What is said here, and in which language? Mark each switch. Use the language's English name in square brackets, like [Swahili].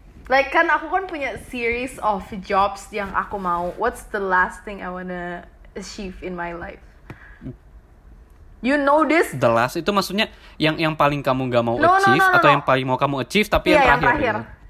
[Indonesian] Like, kan aku kan punya [English] series of jobs [Indonesian] yang aku mau. [English] What's the last thing I wanna achieve in my life? You know this? The last [Indonesian] itu maksudnya yang paling kamu gak mau achieve atau yang paling mau kamu achieve tapi yang terakhir.